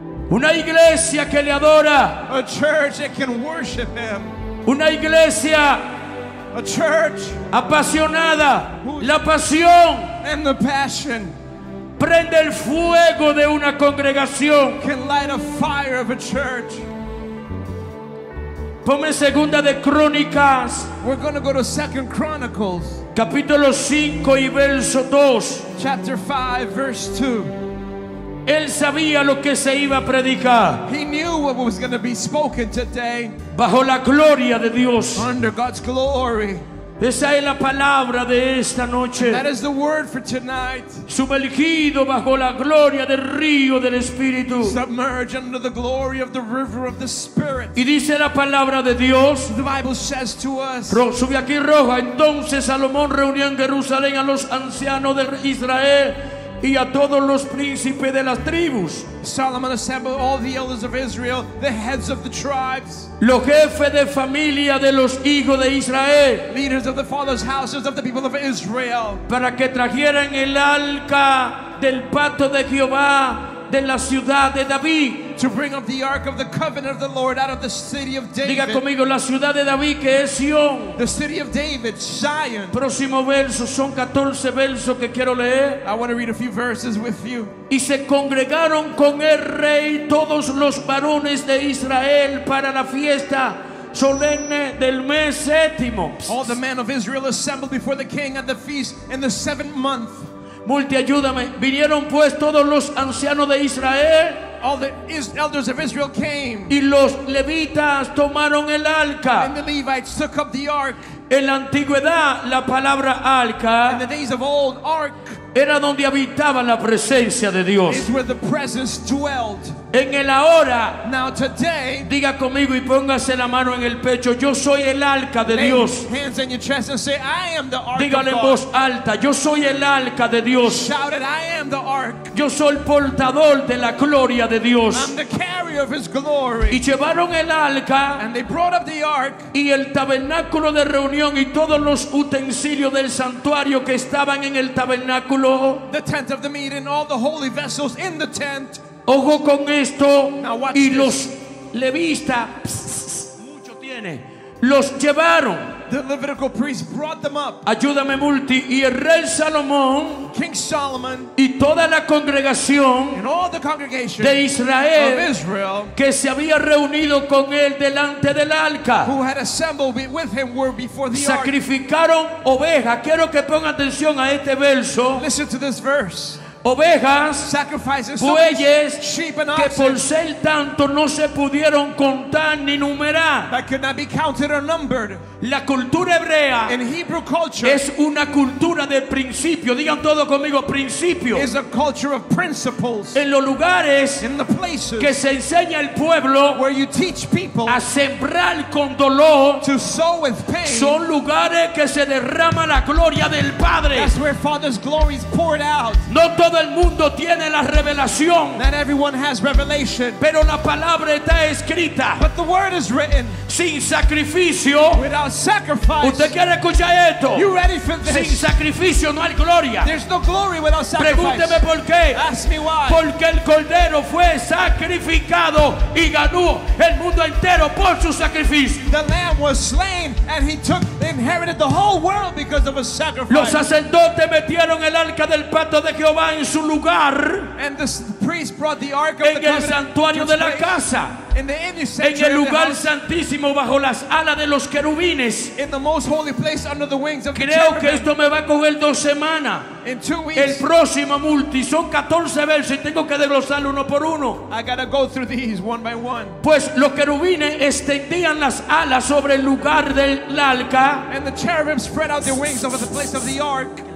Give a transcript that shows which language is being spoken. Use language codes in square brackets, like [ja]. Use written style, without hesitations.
[es] Una iglesia que le adora. [en] A church that can worship him. [es] Una iglesia. [en] A church. [es] Apasionada. La pasión. [en] And the passion. [es] Prende el fuego de una congregación. [en] Can light a fire of a church. [es] Ponme segunda de Crónicas. [en] We're going to go to 2 Chronicles. [es] Capítulo 5 y verso 2. [en] Chapter 5, verse 2. [es] Él sabía lo que se iba a predicar. [en] He knew what was going to be spoken today. [es] Bajo la gloria de Dios. [en] Under God's glory. [es] Esa es la palabra de esta noche. [en] That is the word for tonight. [es] Sumergido bajo la gloria del río del Espíritu. [en] Submerged under the glory of the river of the Spirit. [es] Y dice la palabra de Dios. [en] The Bible says to us. [es] Sube aquí roja. Entonces Salomón reunió en Jerusalén a los ancianos de Israel y a todos los príncipes de las tribus. [en] Solomon assembled all the elders of Israel, the heads of the tribes. [es] Los jefes de familia de los hijos de Israel. [en] Leaders of the fathers' houses of the people of Israel. [es] Para que trajeran el arca del pacto de Jehová de la ciudad de David. [en] To bring up the ark of the covenant of the Lord out of the city of David. [es] Diga conmigo, la ciudad de David, que es Sion. [en] The city of David, Zion. [es] Próximo verso, son 14 versos que quiero leer. [en] I want to read a few verses with you. [es] Y se congregaron con el rey todos los varones de Israel para la fiesta solemne del mes séptimo. [en] All the men of Israel assembled before the king at the feast in the seventh month. [es] Multi, ayúdame. Vinieron pues todos los ancianos de Israel. [en] All the elders of Israel came. [es] Y los levitas tomaron el arca. [en] And the Levites took up the ark. [es] En la antigüedad, la palabra arca. [en] In the days of old, ark. [es] Era donde habitaba la presencia de Dios. [en] Is where the presence dwelt. [es] En el ahora. [en] Now today. [es] Diga conmigo y póngase la mano en el pecho. Yo soy el arca de Dios. [en] Hands in your chest and say, I am the ark. [es] Dígale en voz alta. Yo soy el arca de Dios. [en] Shout it, I am the ark. [es] Yo soy el portador de la gloria de Dios. [en] I'm the carrier of his glory. [es] Y llevaron el arca. [en] And they brought up the ark. [es] Y el tabernáculo de reunión y todos los utensilios del santuario que estaban en el tabernáculo. [en] The tent of the meeting, all the holy vessels in the tent. [es] Ojo con esto. [en] Now watch [es] y [en] this. [es] Los levitas, mucho tiene, los llevaron. [en] The Levitical priest brought them up. [es] Ayúdame, multi. Y el rey Salomón, [en] King Solomon, [es] y toda la congregación, [en] and all the congregation [es] de Israel, [en] of Israel, [es] que se había reunido con él delante del arca, [en] who had assembled with him were before the ark, [es] sacrificaron ovejas. Quiero que ponga atención a este verso. [en] Listen to this verse. [es] Ovejas, [en] sacrifices, [es] bueyes, [en] sheep and oxen, [es] que por ser tanto no se pudieron contar ni numerar. [en] That could not be counted or numbered. [es] La cultura hebrea, [en] in Hebrew culture, [es] es una cultura de principio. Digan todo conmigo, principio. [en] Is a culture of principles. [es] En los lugares, [en] in the places, [es] que se enseña el pueblo, [en] where you teach people, [es] a sembrar con dolor, [en] to sow with pain, [es] son lugares que se derrama la gloria del Padre. [en] That's where Father's glory is poured out. [es] No todo el mundo tiene la revelación. [en] Not everyone has revelation. [es] Pero la palabra está escrita. [en] But the word is written. [es] Sin sacrificio. [en] Without sacrifice. [es] ¿Usted quiere escuchar esto? [en] You ready for this? [es] Sin sacrificio no hay gloria. [en] There's no glory without sacrifice. [es] Pregúnteme por qué. [en] Ask me why. [es] Porque el cordero fue sacrificado y ganó el mundo entero por su sacrificio. [en] The lamb was slain and he took inherited the whole world because of a sacrifice. [es] Los sacerdotes metieron el arca del pacto de Jehová en su lugar, [en] and the priest brought the ark of [es] en [en] the [es] el santuario de la casa, [en] in the [es] en el lugar [en] house, [es] santísimo bajo las alas de los querubines. [en] In the most holy place under the wings of [es] creo [en] the [es] que esto me va a coger dos semanas. [en] In 2 weeks, [es] el próximo multi son 14 versos y tengo que desglosarlo uno por uno. [en] I gotta go through these one by one. [es] Pues los querubines extendían las alas sobre el lugar del arca. [en] And the cherubim spread out their wings over the place of the ark.